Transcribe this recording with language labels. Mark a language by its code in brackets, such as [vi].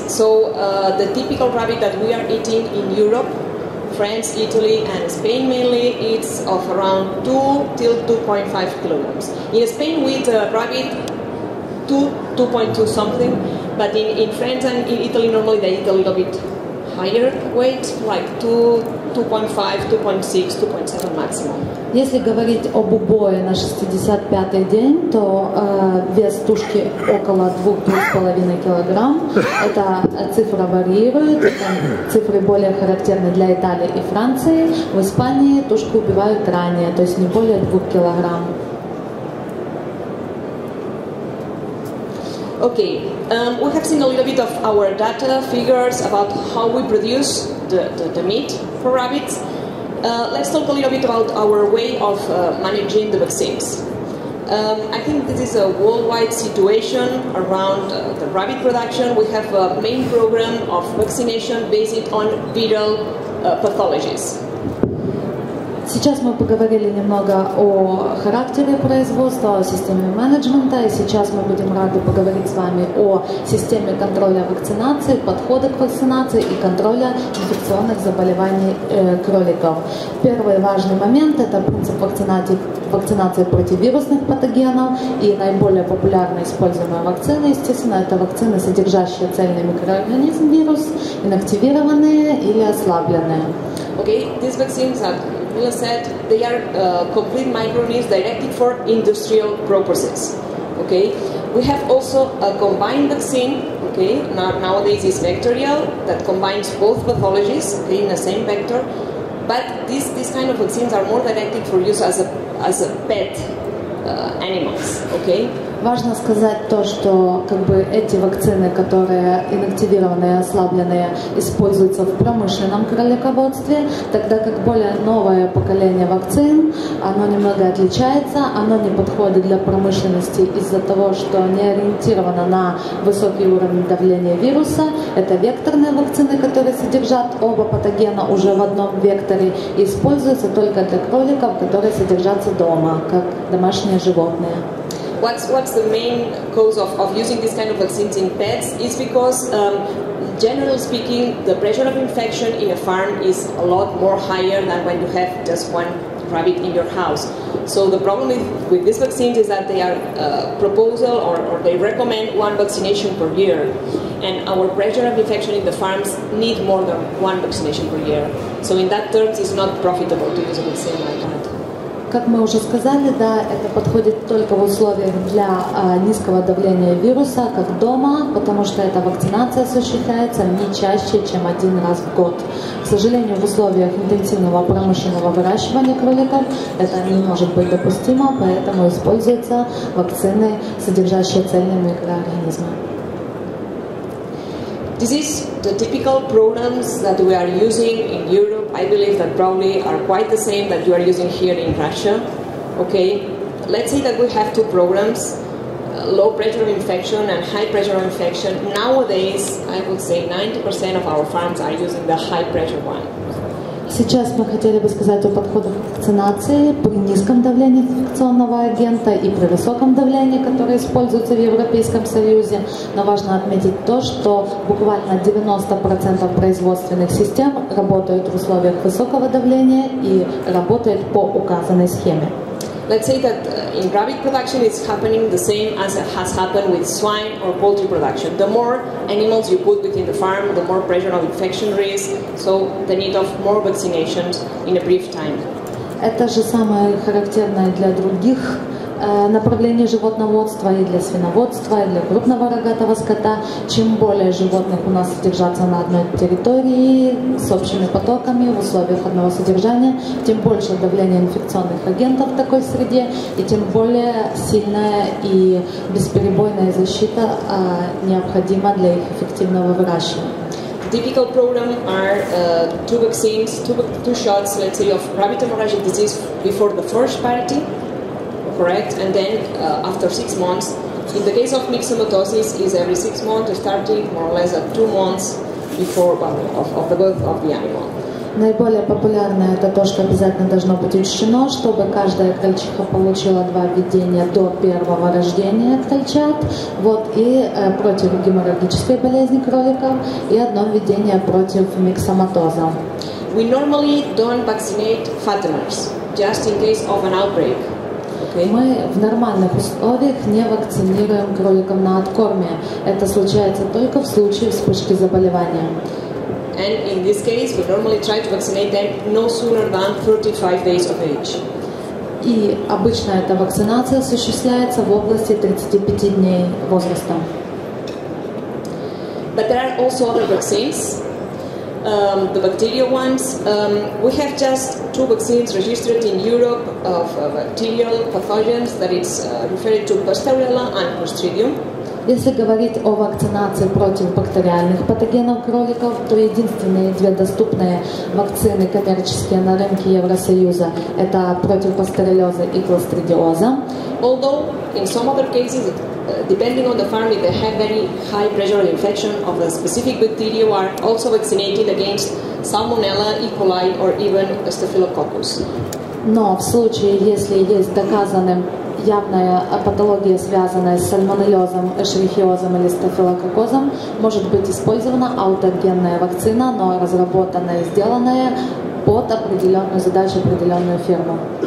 [en] So the typical rabbit that we are eating in Europe, France, Italy, and Spain mainly, it's of around 2 till 2.5 kilograms. In Spain, we eat a rabbit 2.2 something, but in France and in Italy, normally they eat a little bit higher weight, like 2.5, 2.6, 2.7 maximum. [ru] Если говорить об убое на 65-й день, то вес тушки около 2-2,5 килограмм. Эта цифра варьирует, цифры более характерны для Италии и Франции. В Испании тушку убивают ранее, то есть не более 2 килограмм. [en] Okay, we have seen a little bit of our data figures about how we produce the meat for rabbits. Let's talk a little bit about our way of managing the vaccines. I think this is a worldwide situation around the rabbit production. We have a main program of vaccination based on viral pathologies. [ru] Сейчас мы поговорили немного о характере производства, о системе менеджмента, и сейчас мы будем рады поговорить с вами о системе контроля вакцинации, подхода к вакцинации и контроля инфекционных заболеваний кроликов. Первый важный момент – это принцип вакцинации против вирусных патогенов, и наиболее популярная используемая вакцина, естественно, это вакцины, содержащие цельный микроорганизм вирус, инактивированные или ослабленные. [en] Okay, this vaccine is said they are complete microorganisms directed for industrial purposes. Okay, we have also a combined vaccine. Okay, nowadays is vectorial that combines both pathologies, okay, in the same vector. But these kind of vaccines are more directed for use as a pet animals. Okay. [ru] Важно сказать то, что как бы эти вакцины, которые инактивированные, ослабленные, используются в промышленном кролиководстве, тогда как более новое поколение вакцин, оно немного отличается, оно не подходит для промышленности из-за того, что не ориентировано на высокий уровень давления вируса. Это векторные вакцины, которые содержат оба патогена уже в одном векторе, и используются только для кроликов, которые содержатся дома, как домашние животные. [en] What's the main cause of using this kind of vaccines in pets? It's because, generally speaking, the pressure of infection in a farm is a lot more higher than when you have just one rabbit in your house. So the problem with these vaccines is that they are proposal or they recommend one vaccination per year. And our pressure of infection in the farms need more than one vaccination per year. So in that terms, it's not profitable to use a vaccine like that. [ru] Как мы уже сказали, да, это подходит только в условиях для низкого давления вируса, как дома, потому что эта вакцинация осуществляется не чаще, чем один раз в год. К сожалению, в условиях интенсивного промышленного выращивания кроликов это не может быть допустимо, поэтому используются вакцины, содержащие цельные микроорганизмы. [en] This is the typical programs that we are using in Europe. I believe that probably are quite the same that you are using here in Russia. Okay, let's say that we have two programs, low pressure of infection and high pressure of infection. Nowadays, I would say 90% of our farms are using the high pressure one. [ru] Сейчас мы хотели бы сказать о подходах к вакцинации при низком давлении инфекционного агента и при высоком давлении, которое используется в Европейском Союзе. Но важно отметить то, что буквально 90% производственных систем работают в условиях высокого давления и работают по указанной схеме. [en] let's say that in rabbit production it's happening the same as it has happened with swine or poultry production. The more animals you put within the farm, the more pressure of infection risk, so the need of more vaccinations in a brief time. [ru] Это же самое характерное для других направление животноводства и для свиноводства, и для крупного рогатого скота. Чем более животных у нас содержатся на одной территории с общими потоками в условиях одного содержания, тем больше давление инфекционных агентов в такой среде, и тем более сильная и бесперебойная защита необходима для их эффективного выращивания. [en] Typical problem are two shots, let's say, of rabbit hemorrhagic disease before the first parity, correct, and then after 6 months. In the case of myxomatosis, is every 6 months, starting more or less at 2 months before of the birth of the animal. [ru] Наиболее популярное это то, что обязательно должно быть учтено, чтобы каждая крольчиха получила два введения до первого рождения крольчат, вот, и против геморрагической болезни кроликов, и одно введение против миксоматоза. [en] We normally don't vaccinate fatteners, just in case of an outbreak. Okay. [ru] Мы в нормальных условиях не вакцинируем кроликов на откорме. Это случается только в случае вспышки заболевания. [en] And in this case, we normally try to vaccinate them no sooner than 35 days of age. [ru] И обычно эта вакцинация осуществляется в области 35 дней возраста. [en] But there are also other vaccines, the bacterial ones. We have just two vaccines registered in Europe of bacterial pathogens, that is referred to Pasteurella and Clostridium. [ru] Если говорить о вакцинации против бактериальных патогенов кроликов, то единственные две доступные вакцины коммерческие на рынке Евросоюза – это против пастереллеза и клостридиоза. [en] Although in some other cases, depending on the farm, if they have very high pressure infection of the specific bacteria, are also vaccinated against Salmonella, E. coli, or even Staphylococcus. [ru] Но в случае, если есть доказанным явная патология, связанная с сальмонеллезом, эшерихиозом или стафилококкозом, может быть использована аутогенная вакцина, но разработанная и сделанная под определенную задачу, определенную фирму.